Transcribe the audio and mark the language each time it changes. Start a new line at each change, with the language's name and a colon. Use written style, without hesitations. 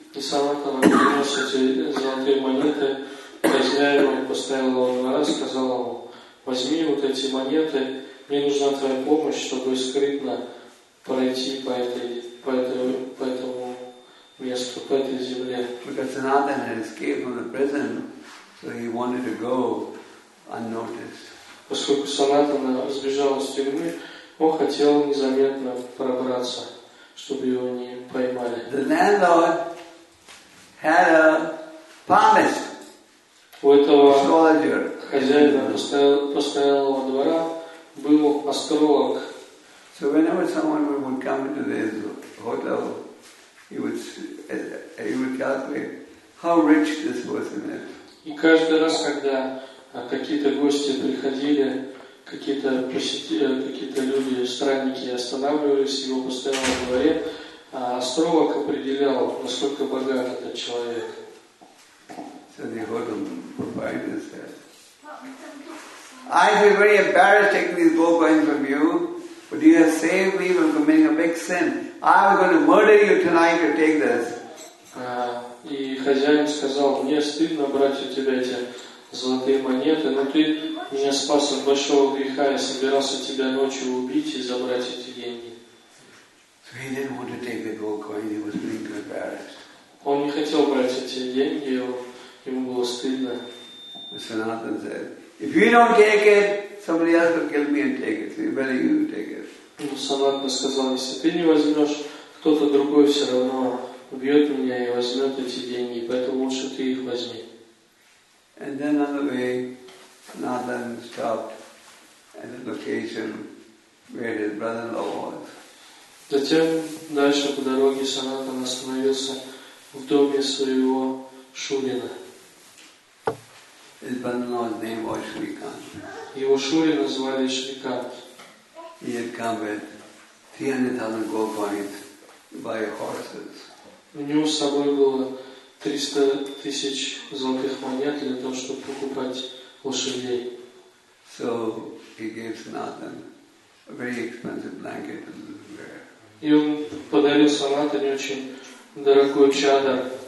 Russian: И Санатана принес эти золотые монеты. Хозяин поставил его на раз, сказал ему, возьми вот эти монеты, мне нужна твоя помощь, чтобы скрытно пройти по этому месту, по этой земле.
English: Because Sanatana had escaped from the prison, so he wanted to go unnoticed.
Russian: Поскольку Санатана сбежал из тюрьмы, он хотел незаметно пробраться, чтобы его не поймали.
English: The landlord had a promise.
Russian: У этого хозяина постоялого двора был астролог.
English: So whenever someone would come into this hotel, he would calculate how rich this person is.
Russian: И каждый раз, когда какие-то гости приходили, какие-то люди, странники останавливались в его постоялом дворе, астролог определял, насколько богат этот человек.
English: So the hotel proprietor said, I'd be very embarrassed taking these gold coins from you. But you have saved me from committing a big sin. I'm going to murder you tonight to take this.
Russian: И хозяин сказал, мне стыдно брать у тебя эти золотые монеты, но ты меня спас от большого греха, я собирался тебя ночью убить и забрать эти деньги.
English: So he didn't want to take the gold coin, he was being embarrassed.
Russian: Он не хотел брать эти деньги, ему было стыдно.
English: Sanatana said, if you don't take it, somebody else will kill me and take it. So you better you take it.
Russian: Санатана сказал, если ты не возьмешь, кто-то другой все равно убьет меня и возьмет эти деньги, поэтому лучше ты их возьми.
English: And then on the way, Sanatana stopped at the location where his brother-in-law was.
Russian: Затем дальше по дороге Санатана остановился в доме своего шурина.
English: His brother-in-law's name was Shrikant.
Russian: Его шури назвали Шрикант.
English: He had come with 300,000 gold coins by horses.
Russian: У него с собой было 300,000 золотых монет для того, чтобы покупать лошадей.
English: So he gave Sanatana a very expensive blanket to wear.
Russian: И он подарил Санатане очень дорогой чадар.